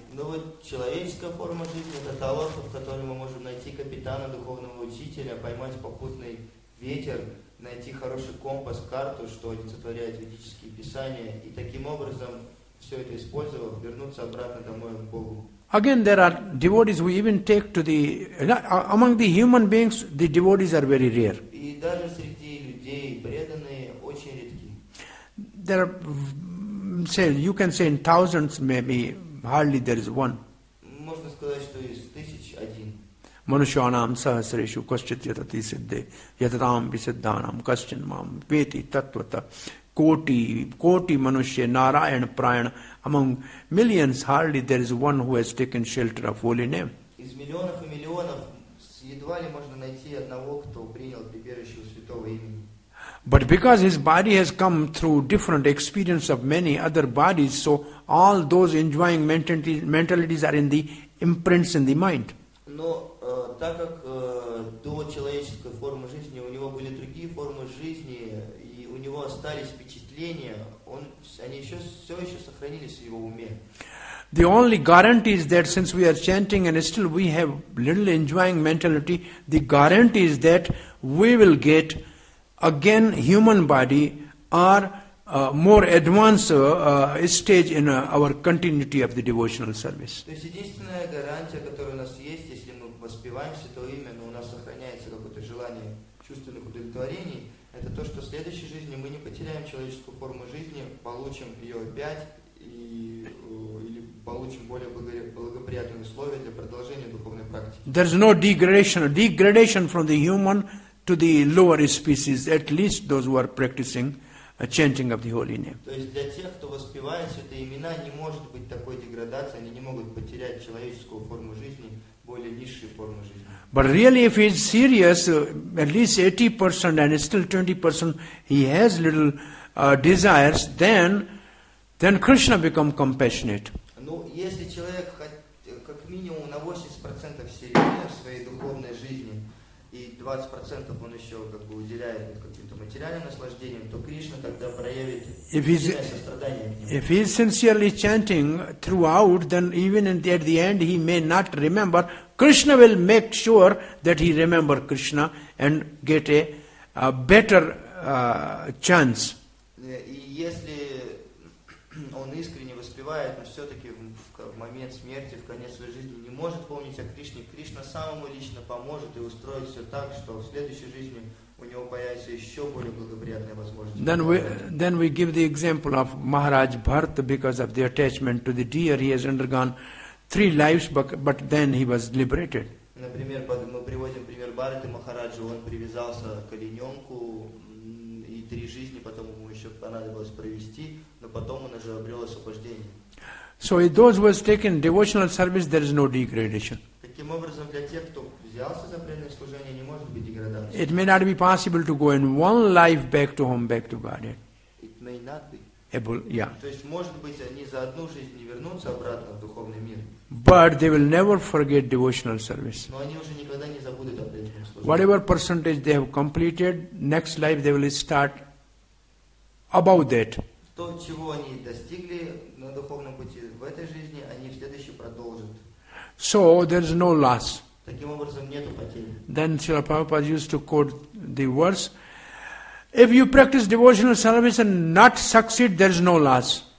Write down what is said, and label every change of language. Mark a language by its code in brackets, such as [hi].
[ru] Но вот человеческая форма жизни – это та лодка, в которой мы можем найти капитана, духовного учителя, поймать попутный ветер, найти хороший компас, карту, что олицетворяет ведические писания, и таким образом, все это использовав, вернуться обратно домой к Богу. [en] Again, there are devotees who even take to the... Among the human beings, the devotees are very rare. [ru] И даже среди людей преданные очень редки. [en] There are, say, you can say in thousands maybe, hardly there is one. [ru] Можно сказать, что из тысяч один. [sa] Манушанам сахасрешу кашчит ятати сидде, ятатам висиддханам кашчин мам, пети таттвата, коти, коти манушья, нараян праян, among millions hardly there is one who has taken shelter of holy name. [ru] Из миллионов и миллионов едва ли можно найти одного, кто принял прибежище у святого имени. [en] But because his body has come through different experience of many other bodies, so all those enjoying mentalities are in the imprints in the mind. [ru] Но так как до человеческой формы жизни у него были другие формы жизни, и у него остались впечатления, они еще все еще сохранились в его уме. [en] The only guarantee is that since we are chanting and still we have little enjoying mentality, the guarantee is that we will get again, human body are more advanced stage in our continuity of the devotional service. [ru] То есть единственная гарантия, которая у нас есть, если мы воспеваем святое имя, но у нас сохраняется какое-то желание чувственных удовлетворений, это то, что в следующей жизни мы не потеряем человеческую форму жизни, получим ее опять или получим более благоприятные условия для продолжения духовной практики. [en] There is no degradation from the human to the lower species, at least those who are practicing chanting of the holy name. [ru] То есть для тех, кто воспевает святые имена, не может быть такой деградации, они не могут потерять человеческую форму жизни, более низшую форму жизни. [en] But really, if he's serious, at least 80% and still 20% he has little desires, then Krishna become compassionate. [ru] Ну, если человек как минимум на 80% серьезен в своей духовной жизни, и 20% он еще как бы уделяет каким-то материальным наслаждением, то Кришна тогда проявит сострадание к нему. [en] If he is sincerely chanting throughout, then even at the end he may not remember. Krishna will make sure that he remember Krishna and get a better chance. [ru] И если он искренне воспевает, но все-таки в момент смерти, в конец своей жизни не может помнить о Кришне, Кришна самому лично поможет и устроит все так, что в следующей жизни у него появится еще более благоприятная возможность. [en] Then we give the example of Maharaj Bharat, because of the attachment to the deer, he has undergone three lives, but then he was liberated. [ru] Например, мы приводим пример Бхараты Махараджи, он привязался к олененку, и три жизни потом ему еще понадобилось провести, но потом он уже обрел освобождение. [en] So those who have taken devotional service, there is no degradation. [ru] Таким образом, для тех, кто взялся за преданное служение, не может быть деградация. [en] It may not be possible to go in one life back to home, back to Godhead. It may not be. Able, yeah. [ru] То есть, может быть, они за одну жизнь не вернутся обратно в духовный мир. [en] But they will never forget devotional service. [ru] Но они уже никогда не забудут о преданном служении. [en] Whatever percentage they have completed, next life they will start above that. [ru] То, чего они достигли на духовном пути в этой жизни, они в следующей продолжат. [en] So there is no loss. [ru] Таким образом, нету потери. [en] Then Srila Prabhupada used to quote the verse, if you practice devotional service and not succeed, there is no loss.